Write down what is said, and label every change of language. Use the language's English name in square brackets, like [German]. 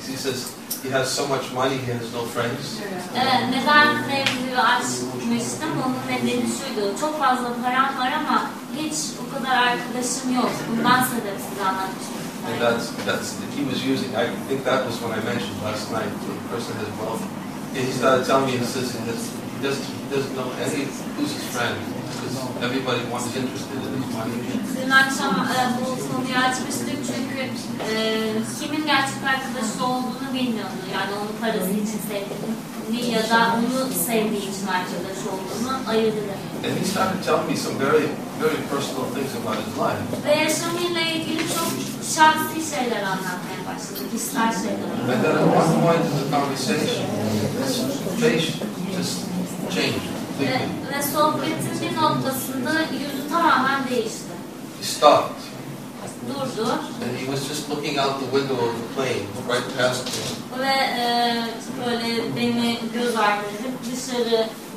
[English] Because he says he has so much money, he has no friends. [Turkish] Neden mevzuyu açmıştım? Onun nedeni şuydu. Çok fazla param var ama hiç o kadar arkadaşım yok. Bundan sebep size anlatmıştım. [English] And that's he was using. I think that was when I mentioned last night. The person has wealth. And he started telling me, he says he doesn't know any who's his friend because everybody wants is interested in his money. [Turkish] Dün akşam bu konuyu açmıştık çünkü kimin gerçek arkadaşı olduğunu bilmiyordu. Yani onu parası için sevdiğini ya da onu sevdiği için arkadaş olduğunu ayırdı. [English] And he started telling me some very, very personal things about his life. [Turkish] Ve yaşamıyla ilgili çok şahsi şeyler anlatmaya başladı, kişisel şeyler. [English] And then at one point in the conversation, his face just changed. [Turkish] Ve sohbetin bir noktasında yüzü tamamen değişti. [English] He stopped. [Turkish] Durdu. [English] And he was just looking out the window of the plane, right past me. [Turkish] Ve böyle beni göz ardı dışarı.